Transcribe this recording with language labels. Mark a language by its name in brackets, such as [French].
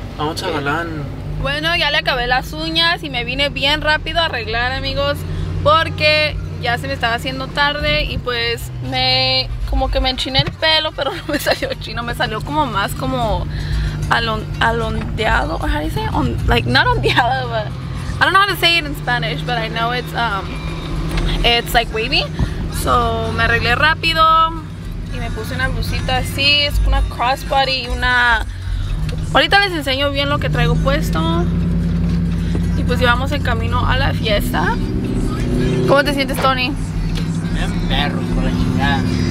[Spanish] Vamos a Galán. Bueno, ya le acabé las uñas y me vine bien rápido a arreglar, amigos, porque ya se me estaba haciendo tarde y pues me como que me enchiné el pelo, pero no me salió chino, me salió como más como alondeado. [English] How do you say it? Like not ondeado, but I don't know how to say it in Spanish, but I know it's like wavy. [Spanish] So me arreglé rápido y me puse una blusita así, es una crossbody y una. Ahorita les enseño bien lo que traigo puesto. Y pues llevamos el camino a la fiesta. ¿Cómo te sientes, Tony? Bien perro, por la chingada.